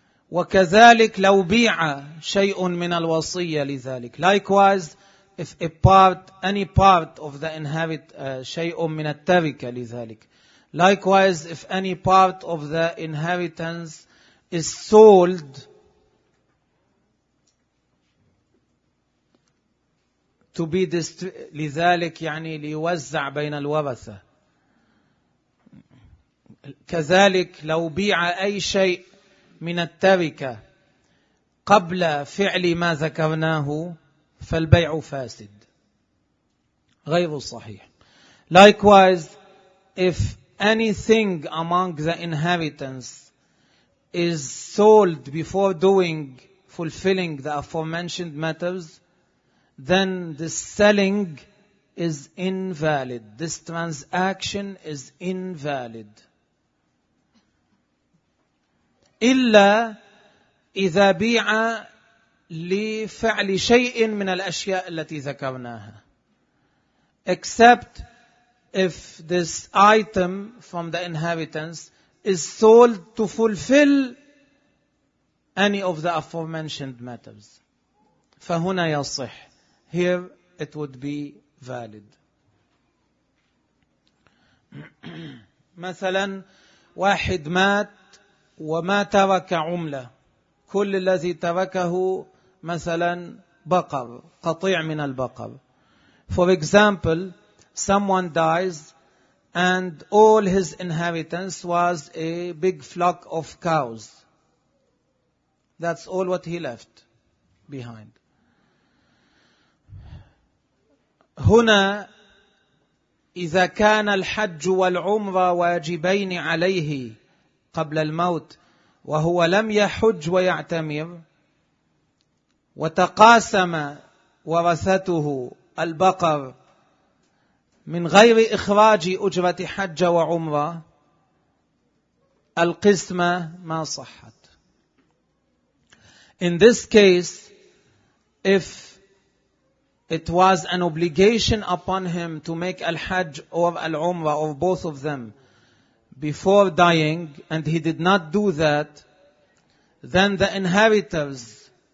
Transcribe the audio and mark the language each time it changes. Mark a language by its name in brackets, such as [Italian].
[Arabic] وكذلك لو بيع شيء من الوصية لذلك. [English] Likewise, if a part, any part of the inherit [Arabic] شيء من التركة لذلك. [English] Likewise, if any part of the inheritance is sold to be [Arabic] لذلك يعني ليوزع بين الورثة. كذلك لو بيع أي شيء من التركة قبل فعل ما ذكرناه فالبيع فاسد غير صحيح. [English] Likewise, if anything among the inheritance is sold before doing, fulfilling the aforementioned matters, then this selling is invalid. This transaction is invalid. [Arabic] إلا إذا بيع لفعل شيء من الأشياء التي ذكرناها. [English] Except if this item from the inheritance is sold to fulfill any of the aforementioned matters. [Arabic] فهنا يصح. [English] Here it would be valid. [Arabic] مثلا واحد مات وما ترك عملة. كل الذي تركه مثلا بقر, قطيع من البقر. [English] For example, someone dies and all his inheritance was a big flock of cows. That's all what he left behind. [Arabic] هنا إذا كان الحج والعمرة واجبين عليه قبل الموت وهو لم يحج ويعتمر وتقاسم ورثته البقر من غير إخراج أجرة حج وعمرة القسمة ما صحت. [English] In this case, if it was an obligation upon him to make al-Hajj or al-Umrah or both of them before dying, and he did not do that, then the inheritors